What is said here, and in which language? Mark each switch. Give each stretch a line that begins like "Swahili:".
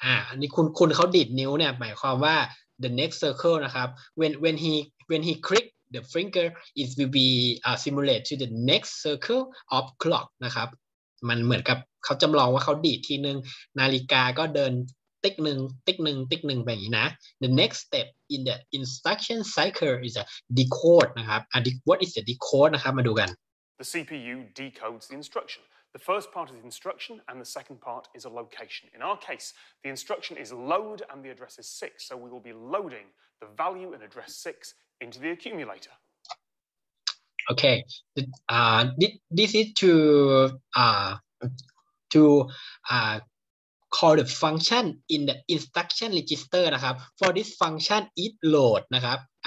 Thai: อันนี้คุณเขาดีดนิ้วเนี่ยหมายความว่า
English: the next circle นะครับ when he click the finger it will be simulate to the next circle of clock นะครับ
Thai: มันเหมือนกับเขาจำลองว่าเขาดีดทีนึงนาฬิกาก็เดินติ๊กหนึ่งติ๊กหนึ่งติ๊กหนึ่งแบบอย่างนี้นะ
English: The next step in the instruction cycle is a decode นะครับ What is the decode
Thai: นะครับมาดูกัน
English: The CPU decodes the instruction. The first part is instruction and the second part is a location. In our case, the instruction is load and the address is 6, so we will be loading the value in address 6 into the accumulator. Okay. This is call the function in the instruction register นะครับ for this function is load นะครับ